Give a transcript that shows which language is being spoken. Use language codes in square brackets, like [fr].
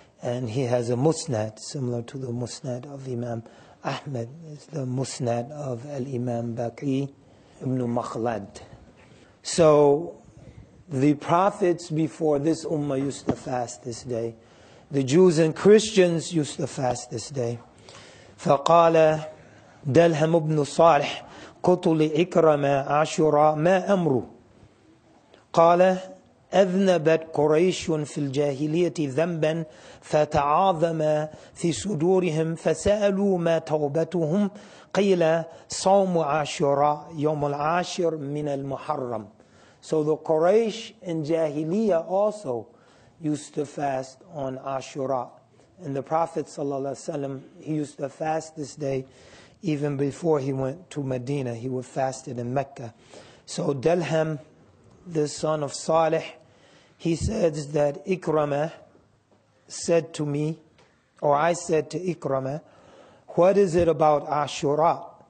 [en] And he has a musnad similar to the musnad of Imam Ahmed. It's the musnad of Al-Imam Baqi ibn Makhlad. So the prophets before this ummah used to fast this day. The Jews and Christians used to fast this day. [ar] فَقَالَ دَلْهَمْ ابْنُ صَالِحْ قُتُ لِإِكْرَمَ عَشُرَى مَا أَمْرُ قال أذنبت قريش في الجاهلية ذنبا فتعاظم في صدورهم فسألوا ما توبتهم قيل صوم عاشوراء يوم العاشر من المحرم. [en] So the Quraysh in Jahiliyyah also used to fast on Ashura. And the Prophet sallallahu alaihi wasallam, he used to fast this day even before he went to Medina. He would fast it in Mecca. So Dalham, the son of Salih, he says that Ikrama said to me, or I said to Ikrama, what is it about Ashura?